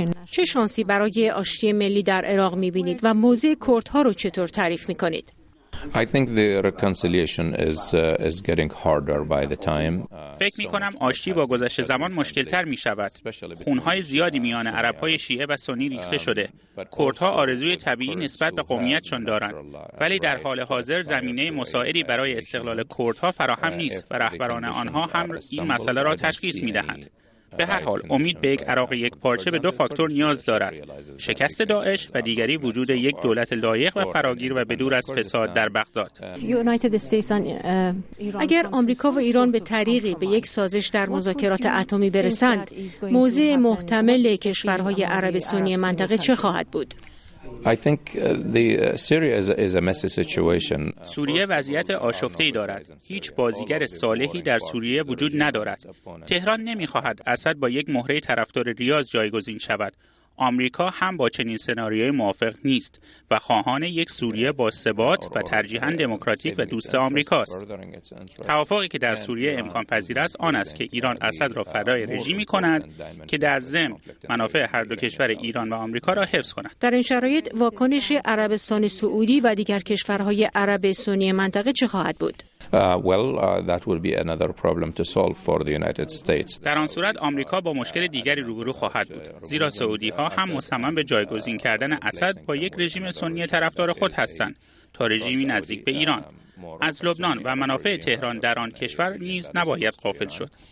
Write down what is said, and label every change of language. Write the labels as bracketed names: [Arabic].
[Persian] چه شانسی برای آشتی ملی در عراق می‌بینید و موضع کردها رو چطور تعریف می‌کنید؟ [English] I think the reconciliation is getting harder by the time. [Persian] فکر می‌کنم آشتی با گذشت زمان مشکل‌تر می‌شود. خون‌های زیادی میان عرب‌های شیعه و سنی ریخته شده. کردها آرزوی طبیعی نسبت به قومیتشان دارند، ولی در حال حاضر زمینه مساعدی برای استقلال کردها فراهم نیست و رهبران آنها هم این مسئله را تشخیص می‌دهند. به هر حال امید به یک عراق یک پارچه به دو فاکتور نیاز دارد، شکست داعش و دیگری وجود یک دولت لایق و فراگیر و بدور از فساد در بغداد. اگر آمریکا و ایران به طریقی به یک سازش در مذاکرات اتمی برسند، موضع محتمل کشورهای عرب سنی منطقه چه خواهد بود؟ [English] I think the Syria is a messy situation. [Persian] سوریه وضعیت آشفته‌ای دارد. هیچ بازیگر صالحی در سوریه وجود ندارد. تهران نمی‌خواهد اسد با یک مهره طرفدار ریاض جایگزین شود. آمریکا هم با چنین سناریوی موافق نیست و خواهان یک سوریه با ثبات و ترجیحاً دموکراتیک و دوست آمریکاست. توافقی که در سوریه امکان پذیر است آن است که ایران اسد را فدای رژیمی کند که در ضمن منافع هر دو کشور ایران و آمریکا را حفظ کند. در این شرایط واکنش عربستان سعودی و دیگر کشورهای عرب سنی منطقه چه خواهد بود؟ [English] That will be another problem to solve for the United States. [Persian] در آن صورت آمریکا با مشکل دیگری روبرو خواهد بود، زیرا سعودی ها هم مصمم به جایگزین کردن اسد با یک رژیم سنی طرفدار خود هستند تا رژیمی نزدیک به ایران. از لبنان و منافع تهران در آن کشور نیز نباید غافل شد.